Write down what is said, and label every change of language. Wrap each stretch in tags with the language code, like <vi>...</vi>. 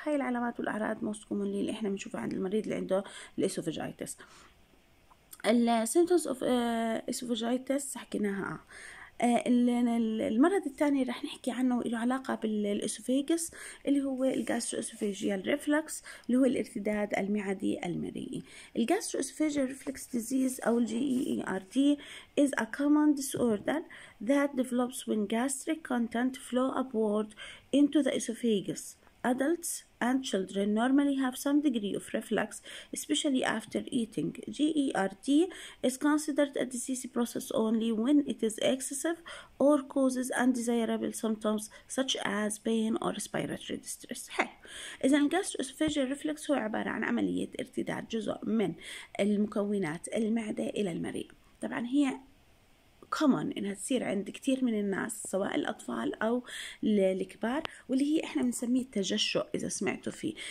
<ar>هاي العلامات والاعراض موست كومونلي اللي احنا بنشوفها عند المريض اللي عنده الاسفجايتس. السيمتومز اوف اسفجايتس حكيناها. المرض الثاني رح نحكي عنه له علاقة بالإسوفيجس اللي هو الجاسترو إسوفيجيال ريفلكس، اللي هو الارتداد المعدي المريئي.</ar> <en>الجاسترو oesophageal reflux disease أو GERD is a common disorder that develops when gastric content flow upward into the esophagus. Adults and children normally have some degree of reflux, especially after eating. GERD is considered a disease process only when it is excessive or causes undesirable symptoms such as pain or respiratory distress.</en> <ar>إذا الجاستروسفيجر ريفلكس هو عبارة عن عملية ارتداد جزء من المكونات المعدة إلى المريء. طبعا هي</ar> <en>common</en> <ar>انها تصير عند كتير من الناس سواء الاطفال او الكبار، واللي هي احنا بنسميه التجشؤ اذا سمعتوا فيه.</ar>